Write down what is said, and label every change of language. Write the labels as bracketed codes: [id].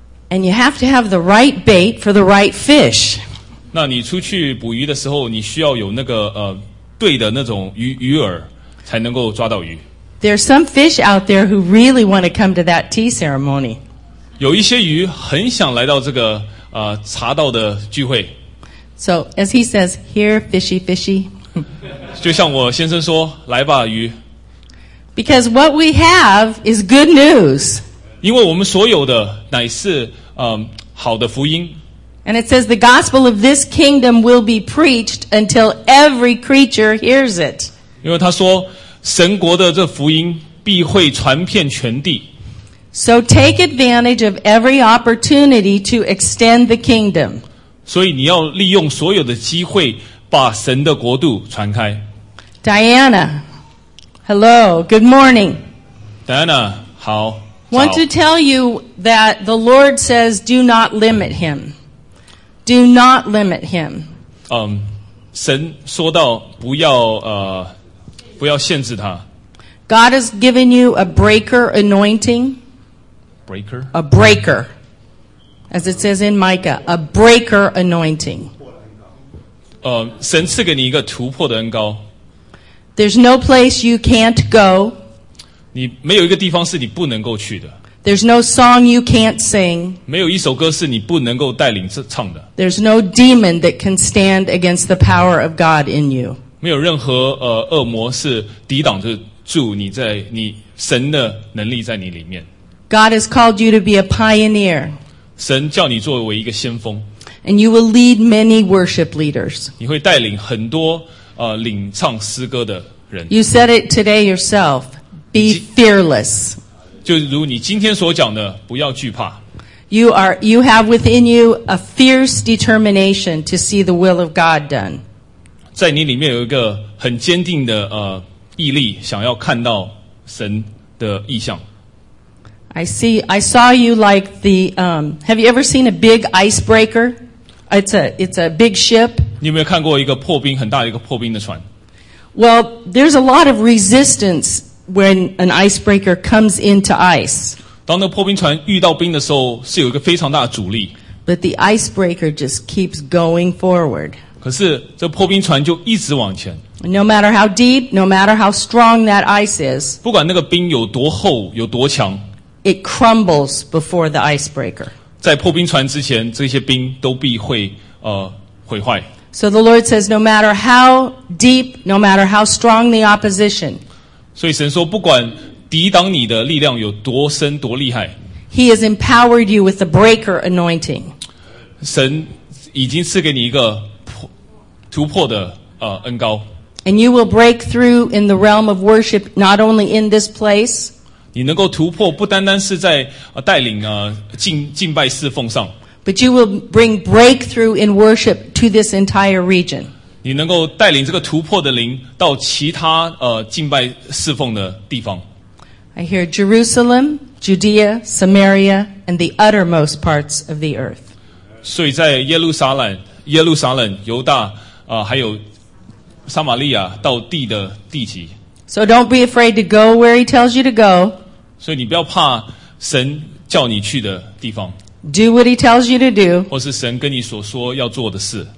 [en] And you have to have the right bait for the right fish. [zh] 那你出去捕鱼的时候你需要有那个对的那种鱼饵。才能够抓到鱼。 [en] There are some fish out there who really want to come to that tea ceremony. [zh] 有一些鱼很想来到这个茶道的聚会。 [en] So, as he says, here, fishy, fishy. [zh] 就像我先生说，来吧，鱼。 [en] Because what we have is good news. [zh] 因为我们所有的乃是好的福音。 [en] And it says the gospel of this kingdom will be preached until every creature hears it. [zh] 因为他说神国的这福音必会传遍全地。 [en] So take advantage of every opportunity to extend the kingdom. [zh] 所以你要利用所有的机会把神的国度传开。 [en] Diana, hello, good morning. [zh] Diana, 好。 [en] Want to tell you that the Lord says do not limit him. Do not limit him. [zh] 神说到不要不要限制他。 [en] God has given you a breaker anointing. Breaker? A breaker. As it says in Micah, a breaker anointing. [zh] 神赐给你一个突破的恩膏。 [en] There's no place you can't go. [zh] 你没有一个地方是你不能够去的。 [en] There's no song you can't sing. [zh] 没有一首歌是你不能够带领唱的。 [en] There's no demon that can stand against the power of God in you. [zh] 没有任何恶魔是抵挡着住你在你神的能力在你里面。 [en] God has called you to be a pioneer. [zh] 神叫你作为一个先锋。 [en] And you will lead many worship leaders. [zh] 你会带领很多领唱诗歌的人。 [en] You said it today yourself. Be fearless. [zh] 就如你今天所讲的，不要惧怕。 [en] You have within you a fierce determination to see the will of God done. [zh] 在你里面有一个很坚定的毅力，想要看到神的意象。 [en] I saw you like the, have you ever seen a big icebreaker? It's a big ship. [zh] 你有没有看过一个破冰，很大的一个破冰的船？ [en] Well, there's a lot of resistance when an icebreaker comes into ice. [zh] 当那破冰船遇到冰的时候，是有一个非常大的阻力。 [en] But the icebreaker just keeps going forward. [zh] 可是这破冰船就一直往前。 [en] No matter how deep, no matter how strong that ice is. [zh] 不管那个冰有多厚，有多强。 [en] It crumbles before the icebreaker. [zh] 在破冰船之前，这些冰都必会毁坏。 [en] So the Lord says, no matter how deep, no matter how strong the opposition. [zh] 所以神说，不管抵挡你的力量有多深多厉害。 [en] He has empowered you with the breaker anointing. [zh] 神已经赐给你一个突破的恩膏。 [en] And you will break through in the realm of worship, not only in this place. [zh] 你能够突破不单单是在带领敬拜侍奉上。 [en] But you will bring breakthrough in worship to this entire region. [zh] 你能够带领这个突破的灵到其他敬拜侍奉的地方。 [en] I hear Jerusalem, Judea, Samaria, and the uttermost parts of the earth. [zh] 所以在耶路撒冷、犹大还有撒玛利亚到地的地极。 [en] So don't be afraid to go where he tells you to go. [zh] 所以你不要怕神叫你去的地方。 [en] Do what he tells you to do. [zh] 或是神跟你所说要做的事。